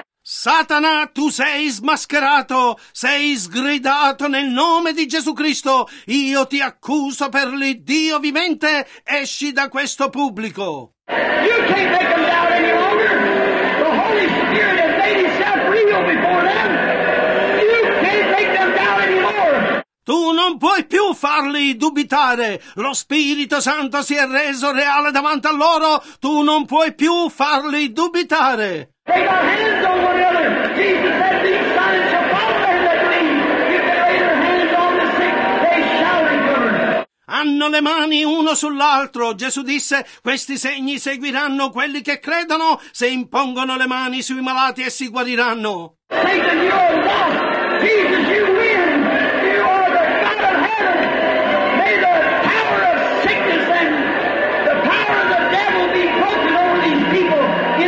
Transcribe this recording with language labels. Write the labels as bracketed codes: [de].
[it] Satana, tu sei smascherato, sei sgridato nel nome di Gesù Cristo. Io ti accuso per l'Iddio vivente, esci da questo pubblico. [en] You can't make them doubt any longer. The Holy Spirit has made himself real before them. You can't make them doubt anymore. [it] Tu non puoi più farli dubitare. Lo Spirito Santo si è reso reale davanti a loro. Tu non puoi più farli dubitare. [en] Take our hands on one another. Jesus said, these signs shall follow them that believe. If they lay their hands on the sick, they shall recover. [it] Hanno le mani uno sull'altro. Gesù disse, questi segni seguiranno quelli che credono. Se impongono le mani sui malati, essi guariranno. [en] Satan, you are lost. Jesus, you win. You are the God of heaven. May the power of sickness and the power of the devil be broken over these people.